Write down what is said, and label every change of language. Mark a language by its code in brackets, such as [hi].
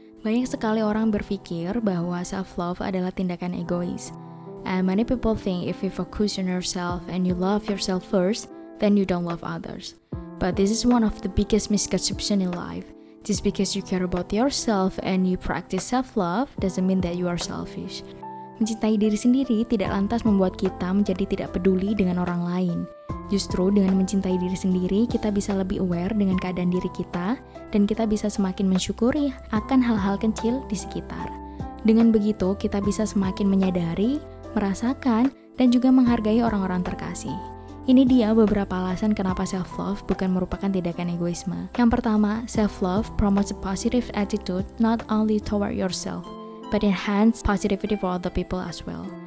[id] Banyak sekali orang berpikir bahwa self-love adalah tindakan egois. [en] And many people think if you focus on yourself and you love yourself first, then you don't love others. But this is one of the biggest misconceptions in life. Just because you care about yourself and you practice self-love doesn't mean that you are selfish. [id] Mencintai diri sendiri tidak lantas membuat kita menjadi tidak peduli dengan orang lain. Justru dengan mencintai diri sendiri, kita bisa lebih aware dengan keadaan diri kita dan kita bisa semakin mensyukuri akan hal-hal kecil di sekitar. Dengan begitu, kita bisa semakin menyadari, merasakan, dan juga menghargai orang-orang terkasih. Ini dia beberapa alasan kenapa self-love bukan merupakan tindakan egoisme. Yang pertama, [en] self-love promotes a positive attitude not only toward yourself, but enhance positivity for other people as well.